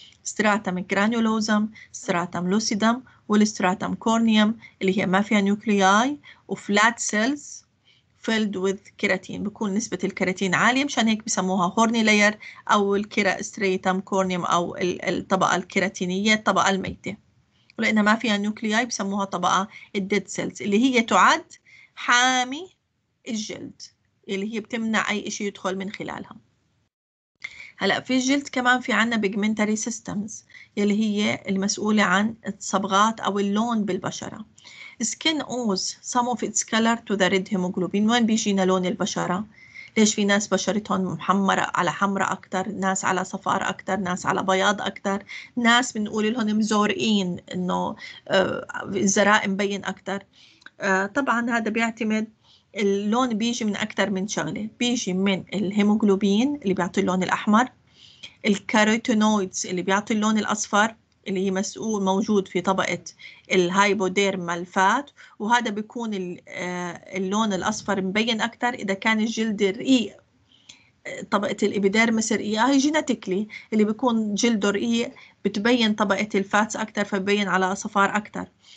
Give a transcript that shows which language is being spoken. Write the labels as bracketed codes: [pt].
[ar] ستراتم جرانيولوزم، ستراتم لوسيدم، والستراتم كورنيوم اللي هي ما فيها نيوكلياي، وفلات سيلز [en] filled with [ar] كيراتين، بكون نسبة الكيراتين عالية، مشان هيك بسموها هورني لاير أو الكيرا استريتم كورنيوم أو الطبقة الكيراتينية، الطبقة الميتة، ولأنها ما فيها نيوكلياي بسموها طبقة الديد سيلز، اللي هي تعد حامي الجلد، اللي هي بتمنع أي إشي يدخل من خلالها. هلأ في الجلد كمان في عنا بيجمنتري سيستمز اللي هي المسؤولة عن الصبغات أو اللون بالبشرة. [en] skin owes some of its color to the red hemoglobin. [ar] وين بيجينا لون البشرة؟ ليش في ناس بشرتهم محمرة على حمرة أكتر، ناس على صفار أكتر، ناس على بياض أكتر، ناس بنقول لهم مزورقين إنه الزراء مبين أكتر. طبعاً هذا بيعتمد، اللون بيجي من أكتر من شغلة، بيجي من الهيموغلوبين اللي بيعطي اللون الأحمر، الكاروتينويدز اللي بيعطي اللون الأصفر اللي هي مسؤول موجود في طبقة الهايبوديرمال فات، وهذا بيكون اللون الأصفر مبين أكتر إذا كان الجلد رقيق، طبقة الإبيديرمس رقيقة، هي جيناتيكلي اللي بيكون جلده رقيق بتبين طبقة الفاتس أكتر فبين على أصفار أكتر.